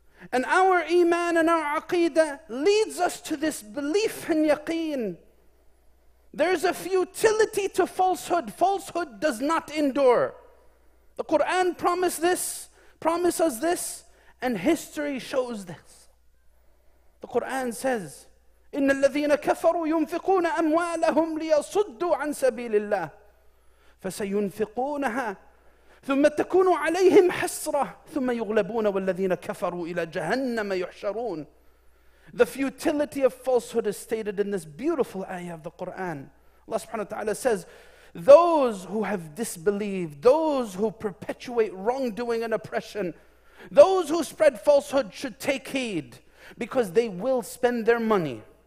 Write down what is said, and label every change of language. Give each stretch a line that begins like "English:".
English: And our iman and our aqeedah leads us to this belief in yaqeen. There's a futility to falsehood. Falsehood does not endure. The Quran promises this, and history shows this. The Quran says,
Arabic: إِنَّ الَّذِينَ كَفَرُوا يُنْفِقُونَ أَمْوَالَهُمْ لِيَصُدُّوا عَنْ سَبِيلِ اللَّهِ فَسَيُنْفِقُونَهَا ثم تكون عليهم حسرة ثم يغلبون والذين كفروا إلى جهنم يحشرون.
English: The futility of falsehood is stated in this beautiful ayah of the Quran. Allah subhanahu wa ta'ala says, those who have disbelieved, those who perpetuate wrongdoing and oppression, those who spread falsehood should take heed, because they will spend their money.